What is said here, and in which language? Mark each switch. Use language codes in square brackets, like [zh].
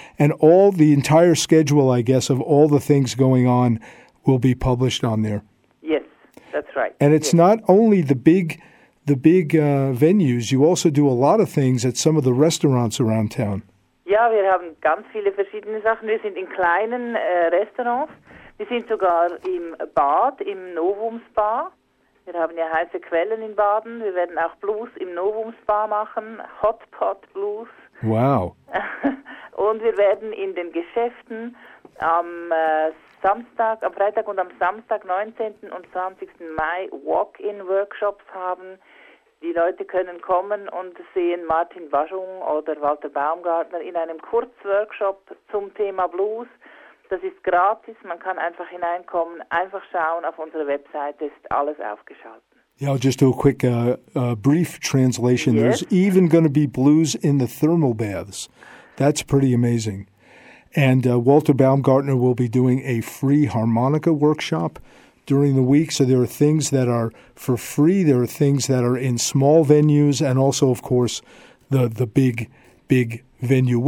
[en] And all the entire schedule, I guess, of all the things going on will be published on there. Yes, that's right. And it's not only the big venues. You also do a lot of things at some of the restaurants around town. [de] Ja, wir haben ganz viele verschiedene Sachen. Wir sind in kleinen Restaurants. Wir sind sogar im Bad, im Novum Spa. Wir haben ja heiße Quellen in Baden. Wir werden auch Blues im Novum Spa machen. [en] Hot Pot Blues. Wow. [de] Und wir werden in den Geschäften am am Freitag und am Samstag, 19. und 20. Mai, Walk-in-Workshops haben. Die Leute können kommen und sehen Martin Waschung oder Walter Baumgartner in einem Kurzworkshop zum Thema Blues. Das ist gratis, man kann einfach hineinkommen, einfach schauen, auf unserer Webseite ist alles aufgeschaltet. [en] Yeah, I'll just do a quick brief translation. Yes. There's even going to be blues in the thermal baths. That's pretty amazing. And Walter Baumgartner will be doing a free harmonica workshop during the week. So there are things that are for free. There are things that are in small venues and also, of course, the big, big venue.